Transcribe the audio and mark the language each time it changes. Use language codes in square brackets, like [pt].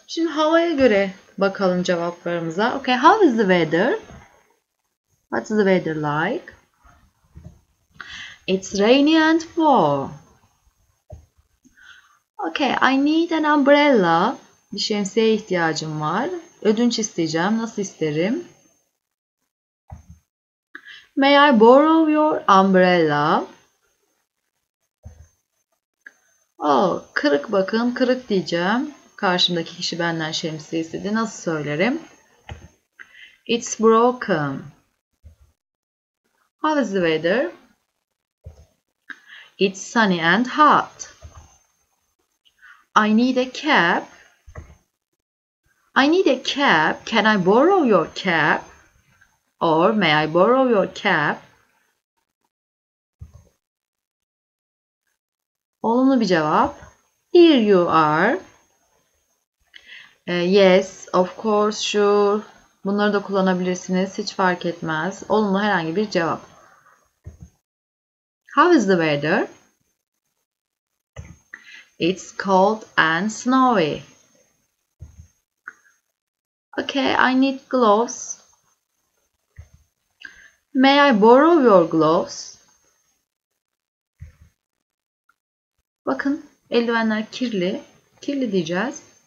[tr] Şimdi havaya göre bakalım cevaplarımıza. [en] Okay, how is the weather? What's the weather like? rainy and warm. Okay, I need an umbrella. [tr] Bir şemsiyeye ihtiyacım var. Ödünç isteyeceğim. Nasıl isterim? [en] May I borrow your umbrella? [tr] Oh, kırık bakın, kırık diyeceğim. Karşımdaki kişi benden şemsiye istedi. Nasıl söylerim? [en] It's broken. How is the weather? It's sunny and hot. I need a cab. I need a cab. Can I borrow your cab? Or may I borrow your [tr] Olumlu bir cevap. [en] Here you are. Yes, of course, sure. [tr] Bunları da kullanabilirsiniz. Hiç fark etmez. Olumlu herhangi bir cevap. [en] How is the weather? It's cold and Okay, I need gloves. May I borrow your [tr] Bakın, eldivenler kirli. Kirli diyeceğiz.